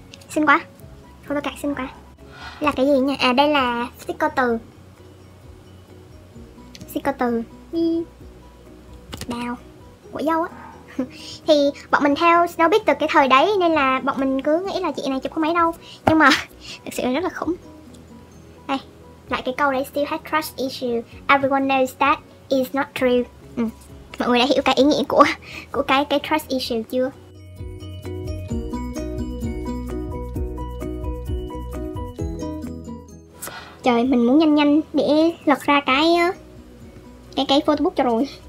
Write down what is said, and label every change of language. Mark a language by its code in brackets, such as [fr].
[vi] Xinh quá. Photo card xinh quá. Là cái gì nha? À đây là sticker từ. Sticker từ. Bao của dâu á. Thì bọn mình theo Snow Beach từ cái thời đấy, nên là bọn mình cứ nghĩ là chị này chụp không mấy đâu. Nhưng mà thực sự là rất là khủng. Đây, lại cái câu đấy, [en] still had crush issue, everyone knows that is not true. [vi] Mọi người đã hiểu cái ý nghĩa của cái crush issue chưa? Trời, mình muốn nhanh để lật ra cái Facebook cho rồi.